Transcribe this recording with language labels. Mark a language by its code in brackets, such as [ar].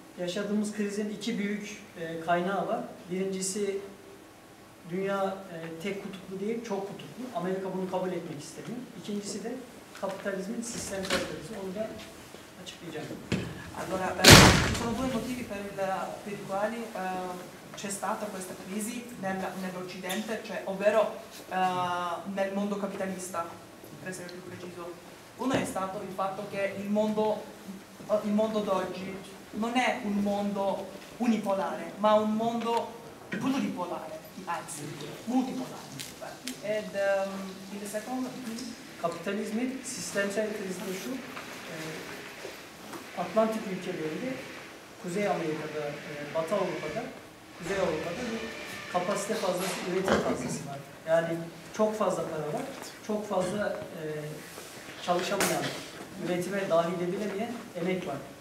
[tr] Yaşadığımız krizin iki büyük kaynağı var. Birincisi dünya tek kutuplu değil, çok kutuplu. Amerika bunu kabul etmek istedi. İkincisi de kapitalizmin sistem kapitalizmi. Onu da açıklayacağım. [it] Allora, ci sono due motivi per i quali c'è stata questa crisi nell'Occidente, cioè ovvero nel mondo capitalista, per essere più preciso. Uno è stato il fatto che il mondo d'oggi non è un mondo unipolare, ma un mondo pluripolare. Anzi, multipolare. Il secondo [tr] capitalismo sistemsel krizde şu Atlantik ülkelerinde Kuzey Amerika'da, Batı Avrupa'da, Kuzey Avrupa'da bir kapasite fazlası, üretim fazlası var. Yani çok fazla para var, çok fazla çalışamayan, üretime dahil edilemeyen emek var.